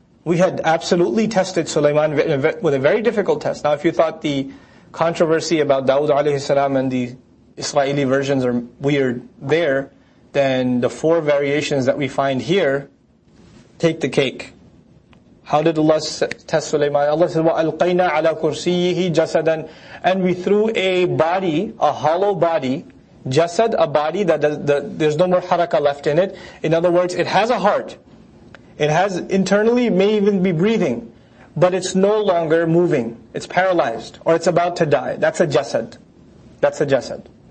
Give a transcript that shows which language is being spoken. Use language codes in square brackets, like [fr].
[en] We had absolutely tested Sulaiman with a very difficult test. Now if you thought the controversy about Dawud alayhi salam and the Israeli versions are weird there, then the four variations that we find here take the cake. How did Allah test Sulaiman? Allah said, [ar] وَأَلْقَيْنَا عَلَىٰ كُرْسِيِّهِ جَسَدًا. [en] And we threw a body, a hollow body, jasad, a body that there's no more harakah left in it. In other words, it has a heart. It has internally, may even be breathing, but it's no longer moving. It's paralyzed, or it's about to die. That's a jasad. That's a jasad.